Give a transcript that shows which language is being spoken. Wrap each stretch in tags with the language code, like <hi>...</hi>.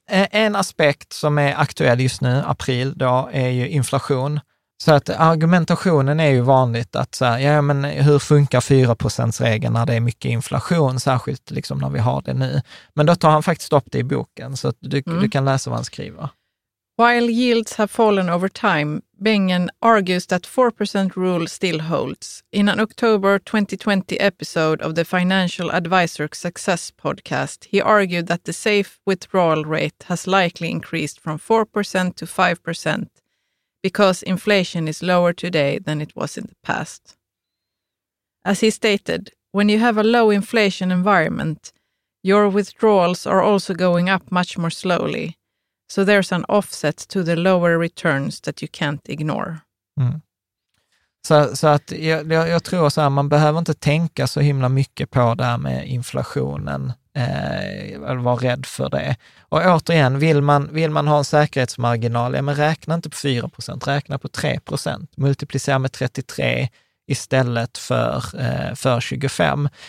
<sv>En aspekt som är aktuell just nu, april, då är ju inflation. Så att argumentationen är ju vanligt att så här, ja, men hur funkar 4%-regeln när det är mycket inflation, särskilt liksom när vi har det nu. Men då tar han faktiskt upp det i boken, så att du kan läsa vad han skriver.</sv> <en>While yields have fallen over time, Bengen argues that 4% rule still holds. In an October 2020 episode of the Financial Advisor Success podcast, he argued that the safe withdrawal rate has likely increased from 4% to 5% because inflation is lower today than it was in the past. As he stated, when you have a low inflation environment, your withdrawals are also going up much more slowly. So there's an offset to the lower returns that you can't ignore. Mm.</en> <sv>Så att jag tror så här, man behöver inte tänka så himla mycket på det här med inflationen. Eller vara rädd för det. Och återigen, vill man ha en säkerhetsmarginal, ja, men räkna inte på 4%, räkna på 3%. Multiplicera med 33 istället för 25.</sv>